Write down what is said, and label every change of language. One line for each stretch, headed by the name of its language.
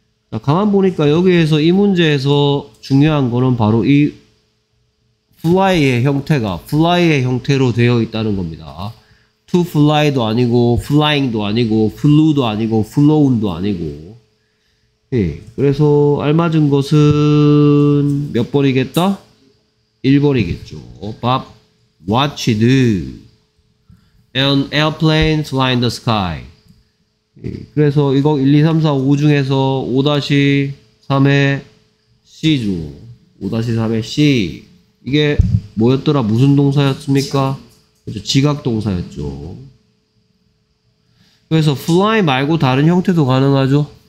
Korean: 자, 가만 보니까 여기에서 이 문제에서 중요한 거는 바로 이 fly의 형태가 fly의 형태로 되어 있다는 겁니다. to fly도 아니고 flying도 아니고 flew도 아니고 flown도 아니고. 예, 그래서 알맞은 것은 몇 번이겠다? 1번이겠죠.
English: Bob watched an airplane fly in the sky.
Korean: 그래서 이거 1, 2, 3, 4, 5 중에서 5-3의 C죠. 5-3의 C. 이게 뭐였더라? 무슨 동사였습니까? 그렇죠. 지각 동사였죠. 그래서 fly 말고 다른 형태도 가능하죠?